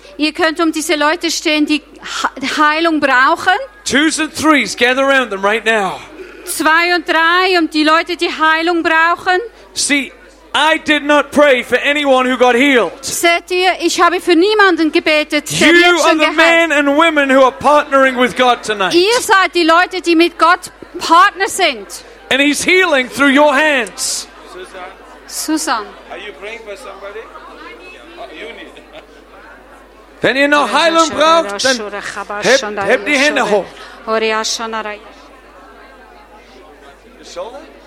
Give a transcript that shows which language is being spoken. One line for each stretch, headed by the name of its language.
German: Ihr könnt um diese Leute stehen, die Heilung brauchen.
English: Twos and threes, gather around them right now.
German: Zwei und drei, um die Leute, die Heilung brauchen.
English: See, I did not pray for anyone who got healed.
German: Seht ihr, ich habe für niemanden gebetet.
English: You are the men and women who are partnering with God tonight.
German: Ihr seid die Leute, die mit Gott Partner sind.
English: And he's healing through your hands. Susan. Are you praying for somebody?
German: Wenn ihr noch Heilung braucht, dann hebt die Hände hoch.
English: Your shoulder?